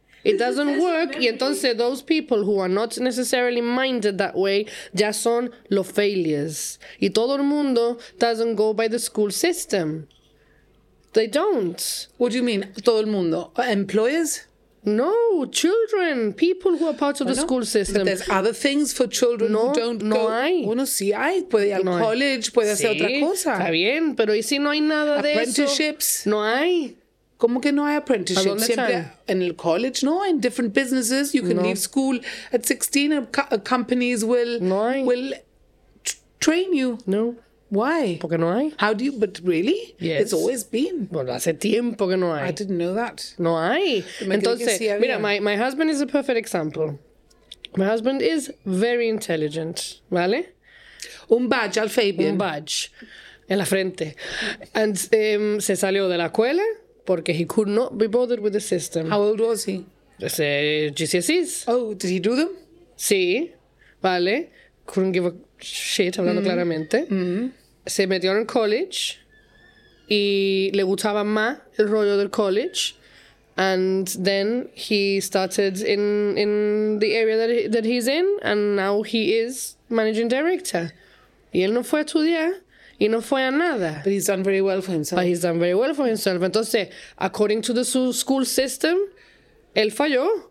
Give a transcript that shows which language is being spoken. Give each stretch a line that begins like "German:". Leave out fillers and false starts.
English: It doesn't work,
Spanish: y entonces
English: those people who are not necessarily minded that way
Spanish: ya son los
English: failures.
Spanish: Y todo el mundo
English: doesn't go by the school system. They don't. What do you mean,
Spanish: todo el mundo?
English: Employers? No, children, people who are part of the school system. But there's other things for children no, who don't no go.
Spanish: No hay. Bueno, sí hay. Puede ir al college, puede hacer otra cosa. Está bien, pero ¿y si no hay nada de eso?
English: Apprenticeships.
Spanish: No hay. ¿Cómo que no hay apprenticeship? ¿A dónde siempre en el college, no,
English: in different businesses. You can no. leave school at 16 and companies will
Spanish: no hay.
English: Will train you. No. Why?
Spanish: Porque no hay.
English: How do you, but really? Yes. It's always been.
Spanish: Bueno, hace tiempo que no hay.
English: I didn't know that.
Spanish: No hay. Entonces, mira,
English: my husband is a perfect example. My husband is very intelligent,
Spanish: ¿vale? Un badge al Fabian. Un badge. En la frente. And se salió de la escuela. Porque
English: he could not be bothered with the system. How old was he? GCSEs. Oh, did he do them?
Spanish: Sí, vale.
English: Couldn't give a shit,
Spanish: hablando claramente. Mm-hmm. Se metió en college y le gustaba más el rollo del college.
English: And then he started in the area that he's in and now he is managing director.
Spanish: Y él no fue a estudiar. Y no fue a nada.
English: But he's done very well for himself. But he's done very well for himself.
Spanish: Entonces,
English: according to the school system,
Spanish: él falló.